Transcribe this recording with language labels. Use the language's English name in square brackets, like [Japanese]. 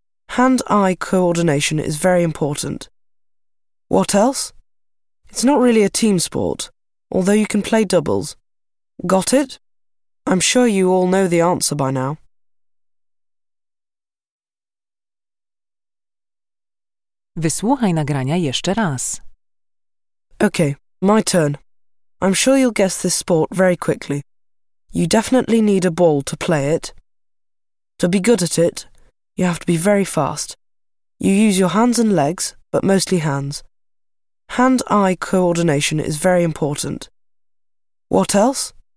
[English] Hand-eye coordination is very important. What else? It's not really a team sport, although you can play doubles. Got it? I'm sure you all know the answer by now. [Polish] Wysłuchaj nagrania jeszcze raz. [English] Okay, my turn. I'm sure you'll guess this sport very quickly. You definitely need a ball to play it. To be good at it, you have to be very fast. You use your hands and legs, but mostly hands. Hand-eye coordination is very important. What else?